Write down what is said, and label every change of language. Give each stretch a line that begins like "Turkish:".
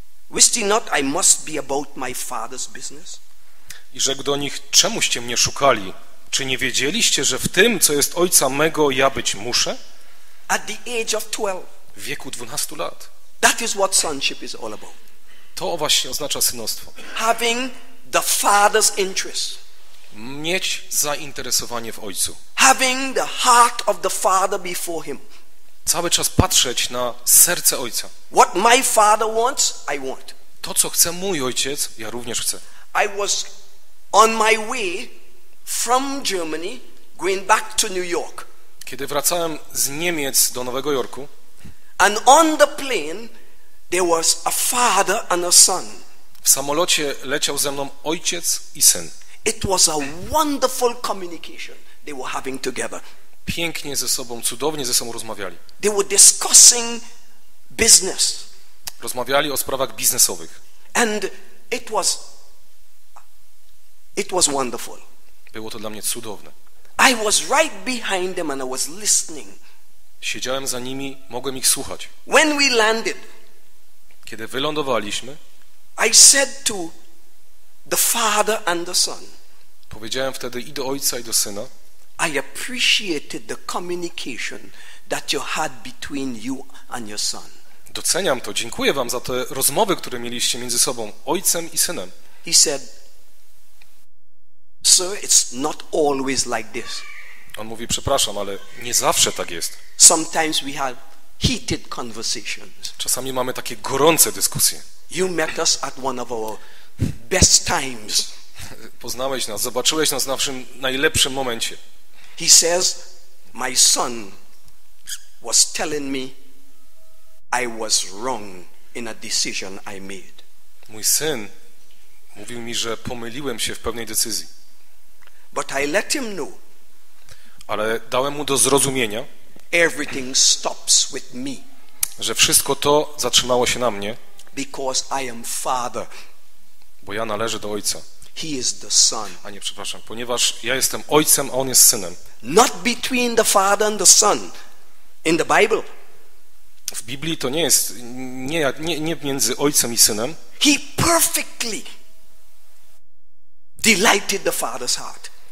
English: Wist ye not I must be about my father's business?
Polish: I rzekł do nich, czemuście mnie szukali? Czy nie wiedzieliście, że w tym, co jest ojca mego, ja być muszę?
English: At the age of 12.
Polish: W wieku 12 lat.
English: That is what sonship is all about.
Polish: To właśnie oznacza synostwo.
English: Having the father's interest.
Polish: Mieć zainteresowanie w ojcu.
English: Having the heart of the father before him.
Polish: Cały czas patrzeć na serce ojca.
English: What my father wants, I want.
Polish: To, co chce mój ojciec, ja również chcę.
English: I was on my way from Germany going back to New York.
Polish: Kiedy wracałem z Niemiec do Nowego Jorku.
English: And on the plane there was a father and a son.
Polish: W samolocie leciał ze mną ojciec i syn.
English: It was a wonderful communication they were having together.
Polish: Pięknie ze sobą, cudownie ze sobą rozmawiali.
English: They were discussing business.
Polish: Rozmawiali o sprawach biznesowych.
English: And it was wonderful.
Polish: Było to dla mnie cudowne.
English: I was right behind them and I was listening.
Polish: Siedziałem za nimi, mogłem ich słuchać.
English: When we landed,
Polish: kiedy wylądowaliśmy,
English: I said to the father and the son,
Polish: powiedziałem wtedy i do ojca i do syna,
English: I appreciated the communication that you had between you and your son.
Polish: Doceniam to, dziękuję wam za te rozmowy, które mieliście między sobą, ojcem i synem.
English: He said, sir, it's not always like this.
Polish: On mówi, przepraszam, ale nie zawsze tak jest.
English: Sometimes we have heated conversations.
Polish: Czasami mamy takie gorące dyskusje.
English: You met us at one of our best times.
Polish: Poznałeś nas, zobaczyłeś nas w naszym najlepszym momencie.
English: He says, my son was telling me I was wrong in a decision I made.
Polish: Mój syn mówił mi, że pomyliłem się w pewnej decyzji.
English: But I let him know.
Polish: Ale dałem mu do zrozumienia.
English: Everything stops with me.
Polish: Że wszystko to zatrzymało się na mnie.
English: Because I am father.
Polish: Bo ja należę do ojca.
English: He is the son.
Polish: A nie, przepraszam, ponieważ ja jestem ojcem, a on jest synem.
English: Not between the father and the son in the Bible.
Polish: W Biblii to nie jest nie między ojcem i synem.
English: He perfectly delighted the father's heart.